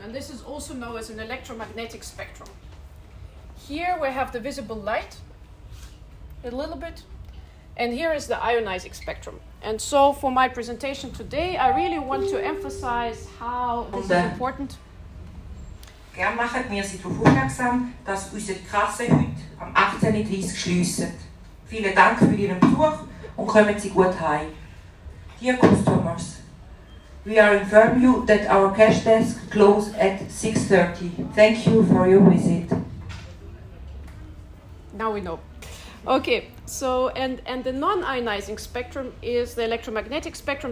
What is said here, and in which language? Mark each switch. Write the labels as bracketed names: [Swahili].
[English] And this is also known as an electromagnetic spectrum. Here we have the visible light, a little bit. And here is the ionizing spectrum. And so for my presentation today, I really want to emphasize how this is important. [German] Gern machen wir Sie darauf aufmerksam, dass unsere Kasse heute am 18.30 Uhr schließt. Vielen Dank für Ihren Besuch und kommen Sie gut heim. [English] Dear customers, we are inform you that our cash desk closes at 6:30. Thank you for your visit. Now we know. Okay, so and the non-ionizing spectrum is the electromagnetic spectrum.